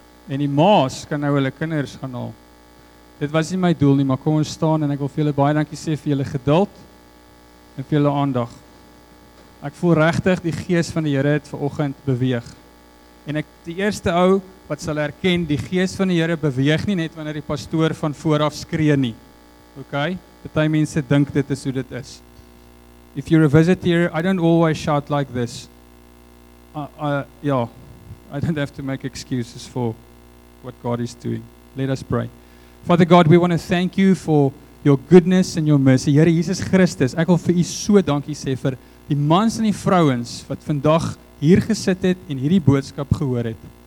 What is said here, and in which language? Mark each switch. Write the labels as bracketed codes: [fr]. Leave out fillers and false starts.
[af] En die maas kan nou hulle kinders gaan haal. Dit was nie my doel nie, maar kom ons staan en ek wil vir julle baie dankie sê vir julle geduld en vir julle aandag. Ek voel regtig die Gees van die Here het vanoggend beweeg. En ek die eerste ou wat sal erken, die Gees van die Here beweeg nie net wanneer die pastoor van vooraf skree nie. OK? Party mense dink dit is hoe dit is. [en] If you're a visitor, I don't always shout like this. I don't have to make excuses for what God is doing. Let us pray. Father God, we want to thank you for your goodness and your mercy. [af] Here Jesus Christus, ek wil vir u so dankie sê vir die mans en die vrouens wat vandag hier gesit het en hierdie boodskap gehoor het.